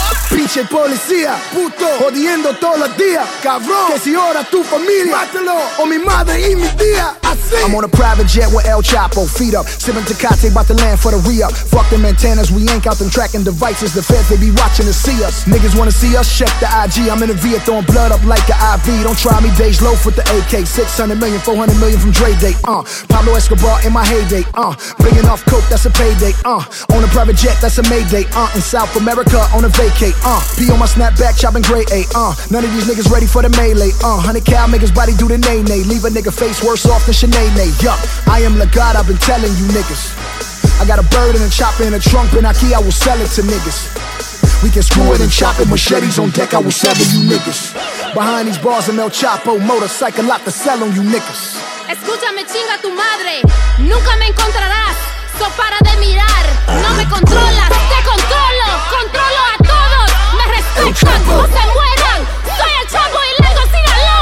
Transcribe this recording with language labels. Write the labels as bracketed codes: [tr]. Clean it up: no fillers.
[es] Pinche policía, puto, jodiendo todos los días, cabrón. Que si ahora tu familia, mátalo, o mi madre y mi tía. [en] I'm on a private jet with El Chapo, feet up. Sipping Tecate, about to land for the re-up. Fuck them antennas, we yank out them tracking devices. The feds, they be watching to see us. Niggas wanna see us, check the IG. I'm in a VIA throwing blood up like an IV. Don't try me, Dej Loaf with the AK. 600 million, 400 million from Dre Day, Pablo Escobar in my heyday, bringing off coke, that's a payday, on a private jet, that's a mayday, in South America, on a vacay, P on my snapback, chopping gray A, none of these niggas ready for the melee, 100 cal, make his body do the nay-nay. Leave a nigga face worse off than Nay-nay, yuck. I am the God, I've been telling you niggas. I got a bird and a chopper in a trunk, and I will sell it to niggas. We can screw it and chop it, machetes on deck, I will sever you niggas. Behind these bars, I'm El Chapo, motorcycle lot to sell on you niggas. [es] Escúchame, chinga tu madre, nunca me encontrarás. So para de mirar, no me controlas, te controlo, controlo a todos. Me respetan, no se mueran, soy el Chapo y lengo Sinaloa.